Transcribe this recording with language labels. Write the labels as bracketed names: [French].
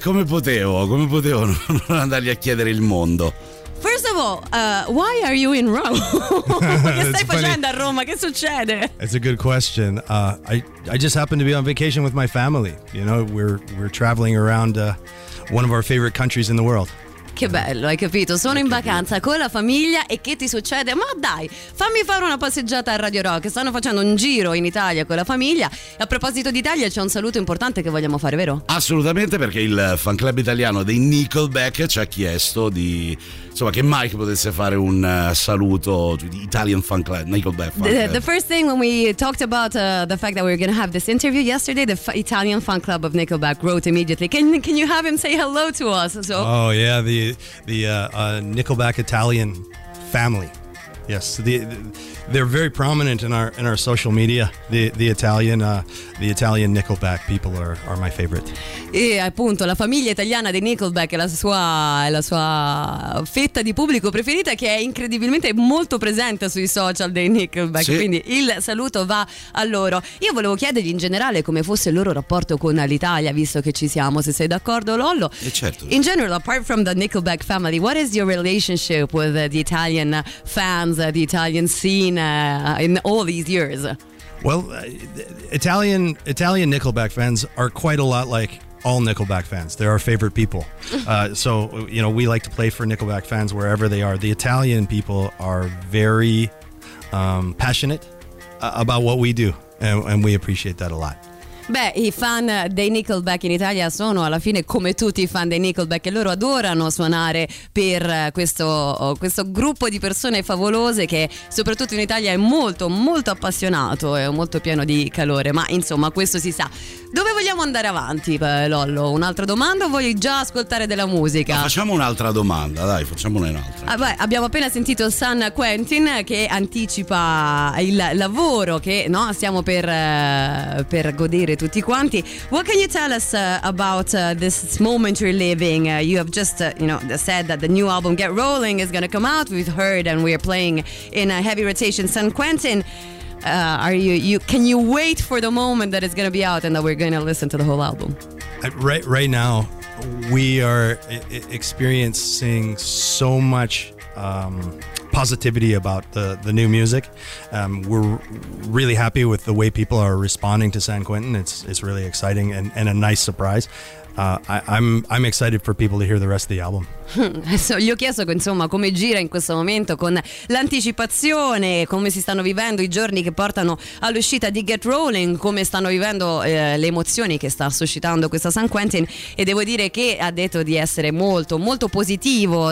[Italian] Come potevo non andargli a chiedere il mondo. [English] First of all, why are you in Rome? [Italian] Che stai funny. Facendo a Roma? Che succede? [English] It's a good question. I just happened to be on vacation with my family. You know, we're traveling around one of our favorite countries in the world. [Italian] Che bello, hai capito? Sono in vacanza con la famiglia e che ti succede? Ma dai, fammi fare una passeggiata a Radio Rock. Stanno facendo un giro in Italia con la famiglia. E a proposito d'Italia, c'è un saluto importante che vogliamo fare, vero? Assolutamente, perché il fan club italiano dei Nickelback ci ha chiesto di... insomma, che Mike potesse fare un saluto di Italian fan club, Nickelback fan club. [English] The first thing when we talked about the fact that we were going to have this interview yesterday, the Italian fan club of Nickelback wrote immediately, can you have him say hello to us? So, oh yeah, the Nickelback Italian family. Yes, they're very prominent in our social media. The Italian Nickelback people are my favorite. [Italian] E appunto la famiglia italiana di Nickelback è la sua fetta di pubblico preferita, che è incredibilmente molto presente sui social dei Nickelback. Sì. Quindi il saluto va a loro. Io volevo chiedergli in generale come fosse il loro rapporto con l'Italia, visto che ci siamo. Se sei d'accordo, Lollo. E certo. [English] In general, apart from the Nickelback family, what is your relationship with the Italian fans, the Italian scene in all these years? Well, Italian Nickelback fans are quite a lot like all Nickelback fans. They're our favorite people. So, you know, we like to play for Nickelback fans wherever they are. The Italian people are very passionate about what we do, and we appreciate that a lot. [Italian] Beh, i fan dei Nickelback in Italia sono alla fine come tutti i fan dei Nickelback, e loro adorano suonare per questo gruppo di persone favolose che soprattutto in Italia è molto molto appassionato e molto pieno di calore. Ma insomma, questo si sa. Dove vogliamo andare avanti, Lollo? Un'altra domanda o vuoi già ascoltare della musica? Ma facciamo un'altra domanda, dai, facciamone un'altra. Ah, beh, abbiamo appena sentito San Quentin che anticipa il lavoro che, no, stiamo per godere tutti quanti. [English] What can you tell us about this moment you're living? You have just said that the new album Get Rolling is going to come out. We've heard and we are playing in a heavy rotation San Quentin. Can you wait for the moment that it's going to be out and that we're going to listen to the whole album? Right now we are experiencing so much positivity about the new music. We're really happy with the way people are responding to San Quentin. It's really exciting and a nice surprise. I'm excited for people to hear the rest of the album. [Italian] So, gli ho chiesto insomma come gira in questo momento con l'anticipazione, come si stanno vivendo i giorni che portano all'uscita di Get Rolling, come stanno vivendo le emozioni che sta suscitando questa San Quentin, e devo dire che ha detto di essere molto molto positivo.